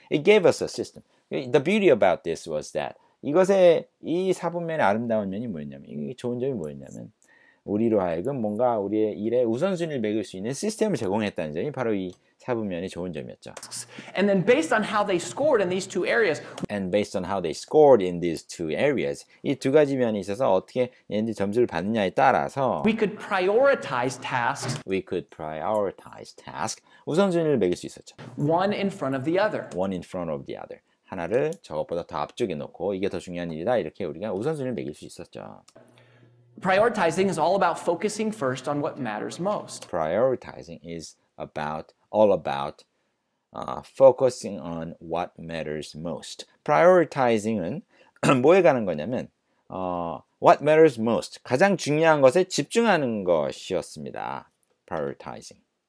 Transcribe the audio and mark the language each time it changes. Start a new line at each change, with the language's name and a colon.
English: It gave us a system. The beauty about this was that
Korean: 이것의 이 사분면의 아름다운 면이 뭐였냐면 이게 좋은 점이 뭐였냐면 우리로 하여금 뭔가 우리의 일에 우선순위를 매길 수 있는 시스템을 제공했다는 점이 바로 이 사분면의 좋은 점이었죠.
English: And then based on how they scored in these two areas. And based on how they scored in these two areas.
Korean: 이 두 가지 면이 있어서 어떻게 얘네들이 점수를 받느냐에 따라서
English: We could prioritize tasks.
Korean: 우선순위를 매길 수 있었죠.
English: One in front of the other.
Korean: 하나를 저것보다 더 앞쪽에 놓고 이게 더 중요한 일이다 이렇게 우리가 우선순위를 매길 수 있었죠.
English: Prioritizing is all about focusing first on what matters most. Prioritizing is all about focusing on what matters most.
Korean: Prioritizing은 뭐에 가는 거냐면
English: what matters most
Korean: 가장 중요한 것에 집중하는 것이었습니다. Prioritizing.